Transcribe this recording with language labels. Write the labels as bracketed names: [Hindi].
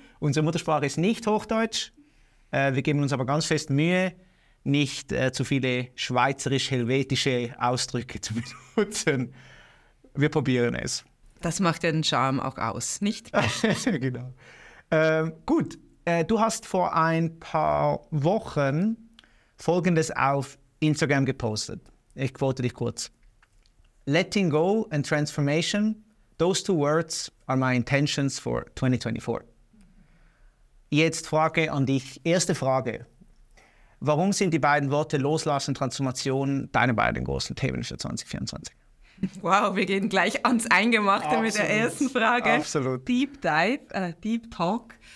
[German] Unsere Muttersprache ist nicht Hochdeutsch. Wir geben uns aber ganz fest Mühe, nicht zu viele schweizerisch-helvetische Ausdrücke zu benutzen. Wir probieren es. Das macht ja den Charme auch aus, nicht? Genau. Gut, du hast vor ein paar Wochen Folgendes auf Instagram gepostet. Ich quote dich kurz. [English] Letting go and transformation, those two words are my intentions for 2024. [German] Jetzt Frage an dich, erste Frage. Warum sind die beiden Worte Loslassen und Transformation deine beiden großen Themen für 2024? Wow, wir gehen gleich ans Eingemachte. Absolut. Mit der ersten Frage. Absolut. [English] Deep Dive, Deep Talk.